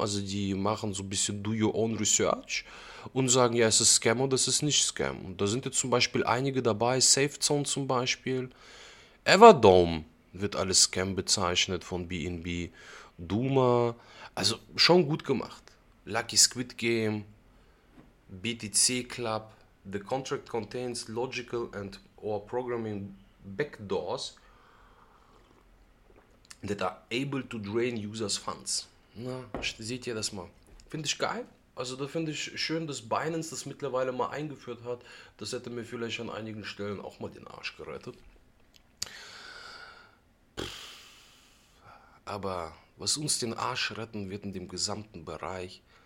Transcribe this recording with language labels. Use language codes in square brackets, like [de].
[de] Also, die machen so ein bisschen [en] Do Your Own Research [de] und sagen, ja, es ist Scam oder es ist nicht Scam. Und da sind jetzt zum Beispiel einige dabei, SafeZone zum Beispiel. Everdome wird als Scam bezeichnet von BNB. Duma, also schon gut gemacht. [en] Lucky Squid Game, BTC Club, the contract contains logical and or programming backdoors that are able to drain users' funds. [de] Na, seht ihr das mal? Finde ich geil. Also da finde ich schön, dass Binance das mittlerweile mal eingeführt hat. Das hätte mir vielleicht an einigen Stellen auch mal den Arsch gerettet. Aber was uns den Arsch retten wird in dem gesamten Bereich.